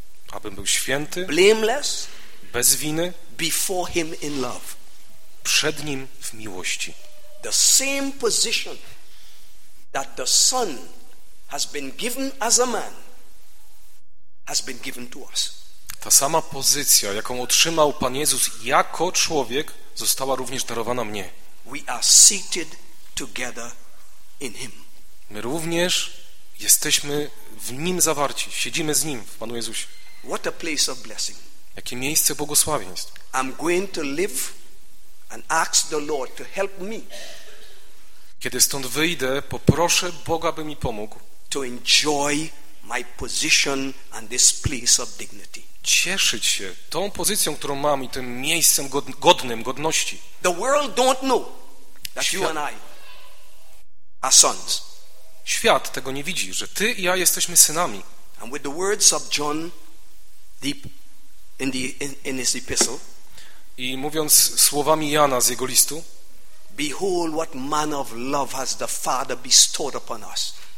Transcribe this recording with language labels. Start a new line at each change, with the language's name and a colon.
Polish: abym był święty,
English: blameless,
Polish: bez winy,
English: before him in love,
Polish: przed nim w miłości.
English: The same position that the Son has been given as a man has been given to us.
Polish: Ta sama pozycja, jaką otrzymał Pan Jezus jako człowiek, została również darowana mnie.
English: We are seated together in Him.
Polish: My również jesteśmy w Nim zawarci, siedzimy z Nim w Panu Jezusie.
English: What a place of blessing.
Polish: Jakie miejsce błogosławieństw.
English: I'm going to live and ask the Lord to help me.
Polish: Kiedy stąd wyjdę, poproszę Boga, by mi pomógł.
English: To enjoy my position and this place of dignity.
Polish: Cieszyć się tą pozycją, którą mam i tym miejscem godnym godności.
English: The world don't know that you and I are sons.
Polish: Świat tego nie widzi, że ty i ja jesteśmy synami.
English: And with the words of John deep in his epistle.
Polish: I mówiąc słowami Jana z jego listu.
English: Behold what manner of love has the Father bestowed upon us.